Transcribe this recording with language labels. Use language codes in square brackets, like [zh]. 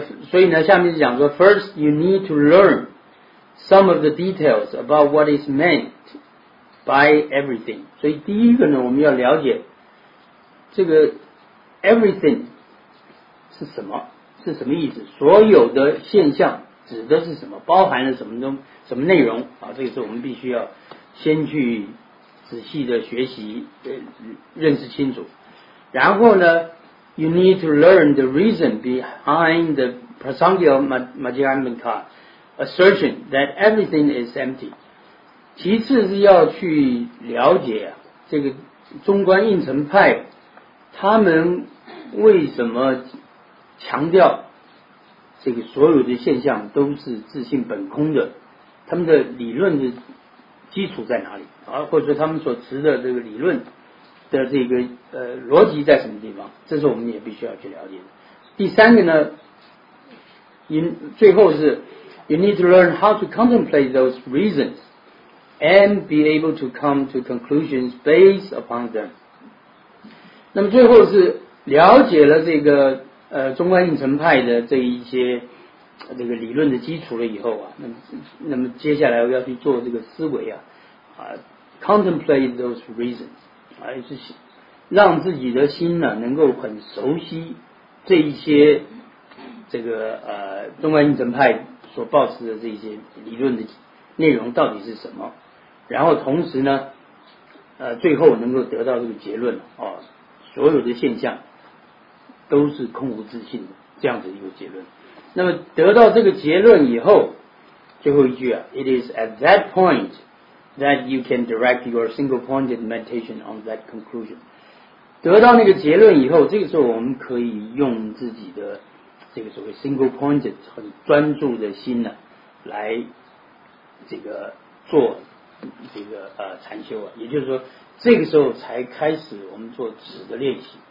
[zh] 所以呢下面就讲说， [en] First you need to learn some of the details about what is meant by everything。 [zh] 所以第一个呢，我们要了解这个 everything 是什么，是什么意思，所有的现象指的是什么，包含了什么东什么内容啊？这个是我们必须要先去仔细的学习认识清楚。然后呢， [en] You need to learn the reason behind the Prasangya Madhyamaka assertion that everything is empty. [zh] 其次是要去了解这个中观应成派他们为什么强调这个所有的现象都是自性本空的，他们的理论的基础在哪里，或者说他们所持的这个理论的这个逻辑在什么地方，这是我们也必须要去了解的。第三个呢，最后是 [en] You need to learn how to contemplate those reasons and be able to come to conclusions based upon them。 [zh] 那么最后是了解了这个中观应成派的这一些这个理论的基础了以后啊，那么接下来我要去做这个思维啊， [en] contemplate those reasons， [zh] 还是让自己的心呢能够很熟悉这一些这个中观应成派所抱持的这些理论的内容到底是什么，然后同时呢最后能够得到这个结论所有的现象都是空无自性的这样子一个结论。那么得到这个结论以后，最后一句啊， [en] It is at that pointthat you can direct your single-pointed meditation on that conclusion. [zh] 得到那个结论以后，这个时候我们可以用自己的这个所谓 single-pointed 很专注的心呢，来这个做这个禅修啊。也就是说，这个时候才开始我们做止的练习。